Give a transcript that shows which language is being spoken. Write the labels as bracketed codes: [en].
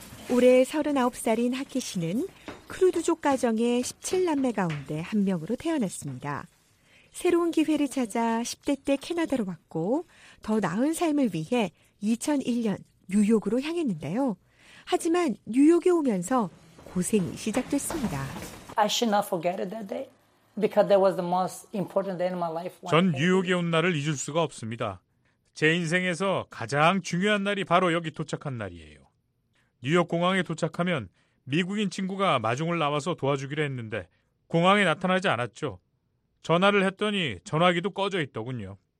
[ko] 올해 39살인 하키 씨는 크루드족 가정의 17남매 가운데 한 명으로 태어났습니다. 새로운 기회를 찾아 10대 때 캐나다로 왔고 더 나은 삶을 위해 2001년 뉴욕으로 향했는데요. 하지만 뉴욕에 오면서 고생이 시작됐습니다. [en] I should not forget it that day because that was the most important day in my life. [ko] 전 뉴욕에 온 날을 잊을 수가 없습니다. 제 인생에서 가장 중요한 날이 바로 여기 도착한 날이에요. 뉴욕 공항에 도착하면 미국인 친구가 마중을 나와서 도와주기로 했는데 공항에 나타나지 않았죠. 전화를 했더니 전화기도 꺼져 있더군요.